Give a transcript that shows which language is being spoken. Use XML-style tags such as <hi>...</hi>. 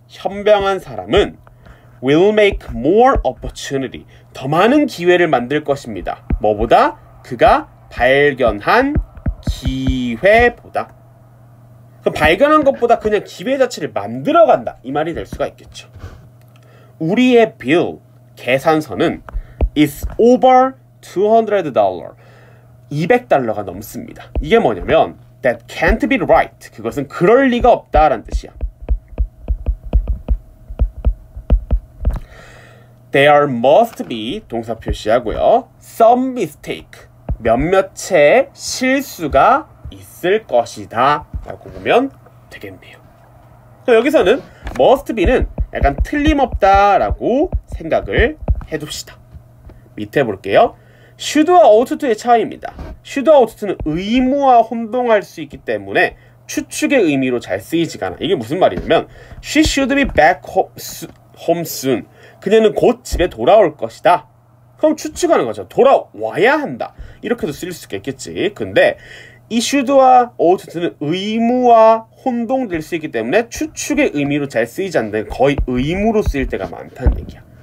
<ko>현명한 사람은</ko> <en>will make more opportunity.</en> <ko>더 많은 기회를 만들 것입니다. 뭐보다? 그가 발견한 기회보다. 그럼 발견한 것보다 그냥 기회 자체를 만들어간다. 이 말이 될 수가 있겠죠. 우리의 빌 계산서는</ko> <en>is over $200.</en> <ko>200달러가 넘습니다. 이게 뭐냐면</ko> <en>that can't be right.</en> <ko>그것은 그럴 리가 없다라는 뜻이야.</ko> <en>There must be</en> <ko>동사 표시하고요.</ko> <en>Some mistake.</en> <ko>몇몇의 실수가 있을 것이다. 라고 보면 되겠네요. 여기서는 must be는 약간 틀림없다라고 생각을 해둡시다. 밑에 볼게요. should와 ought to의 차이입니다. should와 ought to는 의무와 혼동할 수 있기 때문에 추측의 의미로 잘 쓰이지가 않아. 이게 무슨 말이냐면</ko> <en>she should be back home soon.</en> <ko>그녀는 곧 집에 돌아올 것이다. 그럼 추측하는 거죠. 돌아와야 한다. 이렇게도 쓸 수 있겠지. 근데 issued와 ought는 의무와 혼동될 수 있기 때문에 추측의 의미로 잘 쓰이지 않는 거의 의무로 쓰일 때가 많다는 얘기야.</ko>